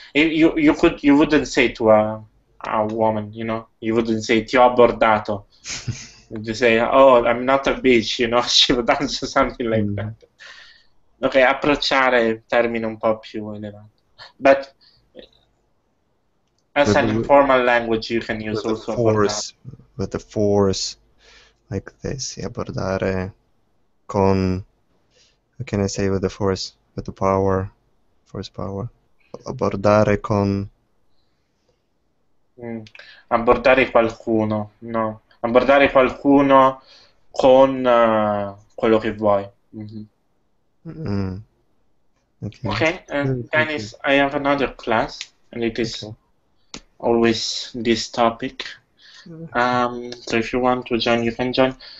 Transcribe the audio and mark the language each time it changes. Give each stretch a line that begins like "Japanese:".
English: You wouldn't say to a woman, you know, you wouldn't say,
Italian: ti ho abordato.
English: You say, oh, I'm not a bitch, you know, she would answer something like that.
Italian: Okay, approcciare è un termine un po' più elevato.
English: But as an informal language, you can use also force, with the force, like this,
Italian: e abbordare con, che ne sei,
English: with the force, with the power, force power,
Italian: abbordare con. Abbordare qualcuno, no, abbordare qualcuno con quello che vuoi.
English: Ok, Dennis, I have another class and it is always this topic. So if you want to join, you can join.